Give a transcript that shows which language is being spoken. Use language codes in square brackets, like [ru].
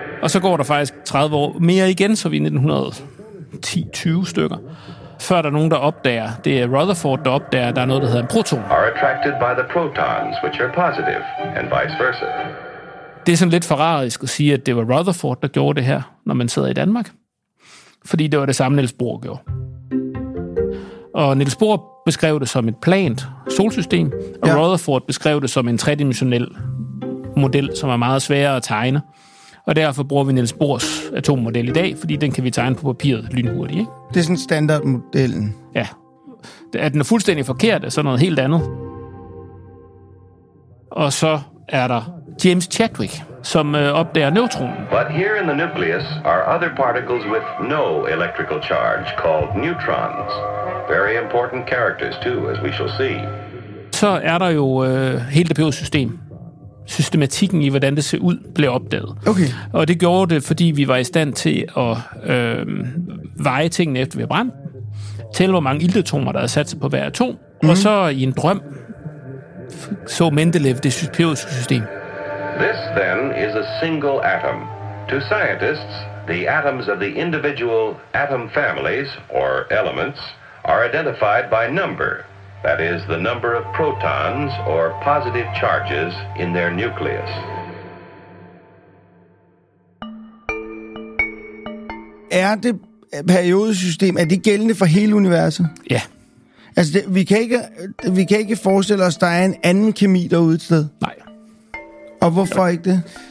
[da] Og så går der faktisk 30 år mere igen, så vi er 1910-20 stykker, før der er nogen, der opdager. Det er Rutherford, der opdager, at der er noget, der hedder en proton. [en] Are attracted by the protons, which are positive, and vice versa. [da] Det er sådan lidt forrarisk at sige, at det var Rutherford, der gjorde det her, når man sidder i Danmark. Fordi det var det samme, Niels Bohr gjorde. Og Niels Bohr beskrev det som et plant solsystem, og ja. Rutherford beskrev det som en tredimensionel model, som er meget sværere at tegne. Og derfor bruger vi Niels Bohrs atommodel i dag, fordi den kan vi tegne på papiret lynhurtigt. Ikke? Det er sådan standardmodellen. Ja. At den er fuldstændig forkert, er sådan noget helt andet. Og så er der James Chadwick, som opdager neutronen. [en] But here in the nucleus are other particles with no electrical charge called neutrons. Very important characters too, as we shall see. [da] Så er der jo hele det periodesystem. Systematikken i, hvordan det ser ud, blev opdaget. Okay. Og det gjorde det, fordi vi var i stand til at veje tingene efter vi havde brændt. Tælle, hvor mange iltatomer, der havde sat sig på hver atom. Mm-hmm. Og så i en drøm så Mendeleev det periodiske system. [en] This then is a single atom. To scientists, the atoms of the individual atom families or elements are identified by number. That is the number of protons or positive charges in their nucleus. [da] Er det periodesystem, er det gældende for hele universet? Ja. Altså det, vi kan ikke forestille os, der er en anden kemi derude et sted. Nej. Og hvorfor ikke det?